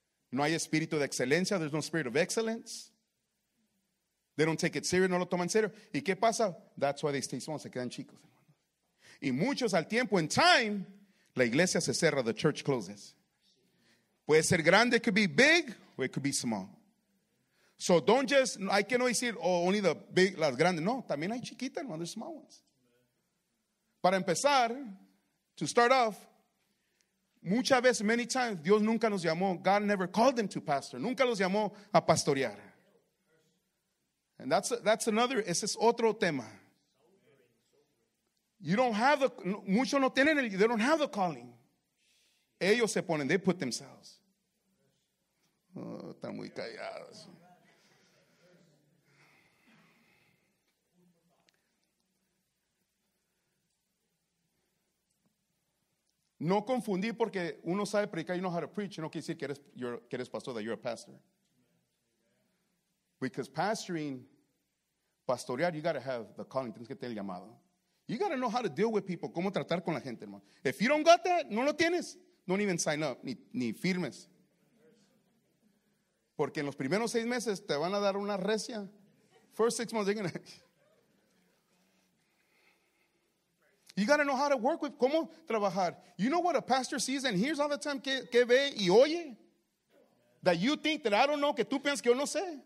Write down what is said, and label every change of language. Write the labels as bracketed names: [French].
[Spanish] No hay espíritu de excelencia, [English] there's no spirit of excellence. They don't take it serious, [Spanish] no lo toman en serio. ¿Y qué pasa? [English] That's why they stay small, [Spanish] se quedan chicos. Y muchos al tiempo, [English] in time, [Spanish] la iglesia se cierra, [English] the church closes. [Spanish] Puede ser grande, [English] it could be big, or it could be small. So don't just, [Spanish] hay que no decir, [English] oh, only the big, [Spanish] las grandes. No, también hay chiquitas, no, [English] there's small ones. [Spanish] Para empezar, [English] to start off, [Spanish] muchas veces, [English] many times, [Spanish] Dios nunca nos llamó, [English] God never called them to pastor, [Spanish] nunca los llamó a pastorear. [English] And that's another, [Spanish] ese es otro tema. [English] You don't have the, [Spanish] muchos no tienen el, [English] they don't have the calling. [Spanish] Ellos se ponen, [English] they put themselves. [Spanish] Oh, están muy callados. No confundí porque uno sabe predicar, [English] you know how to preach, [Spanish] no quiere decir que eres pastor, [English] that you're a pastor. Because pastoring, [Spanish] pastorear, [English] you got to have the calling, [Spanish] tienes que tener el llamado. [English] You got to know how to deal with people, [Spanish] cómo tratar con la gente, hermano. [English] If you don't got that, [Spanish] no lo tienes, [English] don't even sign up, [Spanish] ni firmes. Porque en los primeros 6 meses te van a dar una recia. [English] First 6 months, they're going to. You got to know how to work with, [Spanish] cómo trabajar. [English] You know what a pastor sees and hears all the time, [Spanish] que ve y oye? [English] That you think that I don't know, [Spanish] que tú piensas que yo no sé.